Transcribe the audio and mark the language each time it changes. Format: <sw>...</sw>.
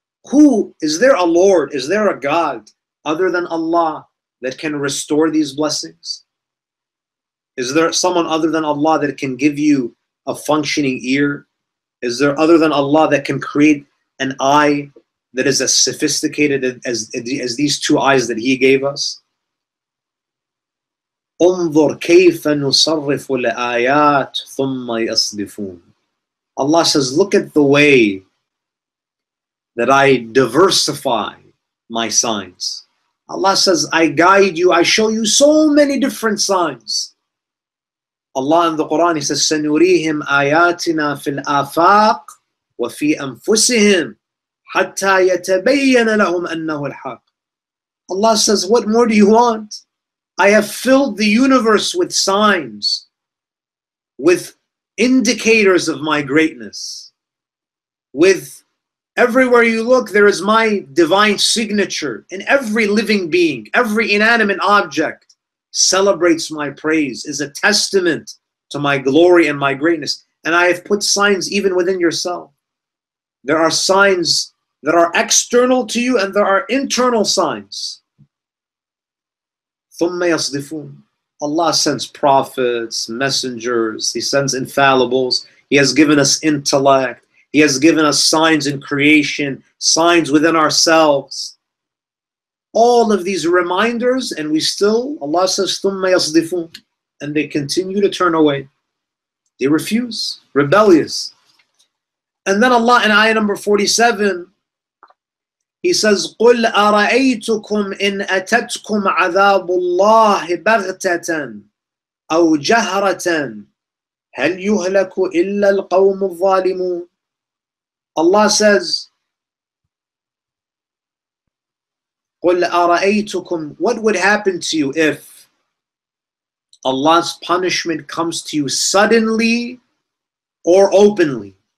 <en>Who, is there a Lord, is there a God other than Allah that can restore these blessings? Is there someone other than Allah that can give you a functioning ear? Is there other than Allah that can create an eye that is as sophisticated as these two eyes that He gave us?</en> <ar>انظر كيف نصرف الآيات ثم يصدفون.</ar> <en>Allah says, look at the way that I diversify my signs. Allah says, I guide you, I show you so many different signs. Allah in the Quran, He says,</en> <ar>سَنُرِيهِمْ آيَاتِنَا فِي الْآفَاقِ وَفِي أَنفُسِهِمْ حَتَّى يَتَبَيَّنَ لَهُمْ أَنَّهُ الْحَقِّ.</ar> <en>Allah says, what more do you want? I have filled the universe with signs, with indicators of my greatness. With everywhere you look, there is my divine signature. In every living being, every inanimate object, celebrates my praise, is a testament to my glory and my greatness. And I have put signs even within yourself. There are signs that are external to you and there are internal signs.</en> <ar>ثُمَّ يَصْدِفُونَ.</ar> <en>Allah sends prophets, messengers, He sends infallibles. He has given us intellect. He has given us signs in creation, signs within ourselves. All of these reminders, and we still, Allah says,</en> <ar>ثُمَّ يَصْدِفُونَ,</ar> <en>and they continue to turn away. They refuse, rebellious. And then Allah in ayah number 47, He says,</en> <ar>قُلْ أَرَأَيْتُكُمْ إِنْ أَتَتْكُمْ عَذَابُ اللَّهِ بَغْتَةً أَوْ جَهْرَةً هَلْ يُهْلَكُ إِلَّا الْقَوْمُ الظَّالِمُونَ.</ar> <en>Allah says,</en> <ar>قُلْ أَرَأَيْتُكُمْ,</ar> <en>what would happen to you if Allah's punishment comes to you suddenly or openly?</en>